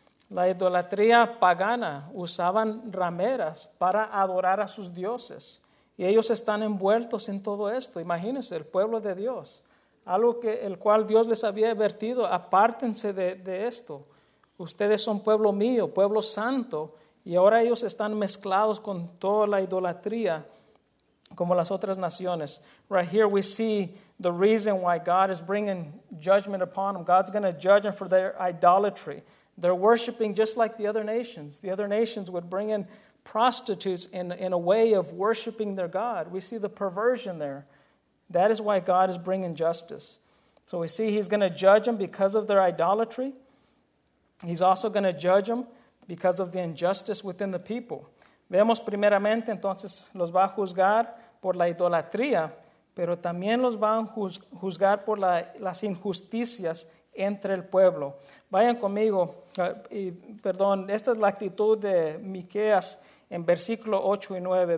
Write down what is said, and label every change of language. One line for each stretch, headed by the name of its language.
Spanish: La idolatría pagana, usaban rameras para adorar a sus dioses, y ellos están envueltos en todo esto. Imagínense, el pueblo de Dios, algo que el cual Dios les había advertido: apártense de esto. Ustedes son pueblo mío, pueblo santo, y ahora ellos están mezclados con toda la idolatría como las otras naciones.
English: Right here we see the reason why God is bringing judgment upon them. God's going to judge them for their idolatry. They're worshiping just like the other nations. The other nations would bring in prostitutes in a way of worshiping their God. We see the perversion there. That is why God is bringing justice. So we see he's going to judge them because of their idolatry. He's also going to judge them because of the injustice within the people.
Spanish: Vemos primeramente, entonces, los va a juzgar por la idolatría, pero también los va a juzgar por las injusticias entre el pueblo. Vayan conmigo, esta es la actitud de Miqueas en versículo 8 y 9.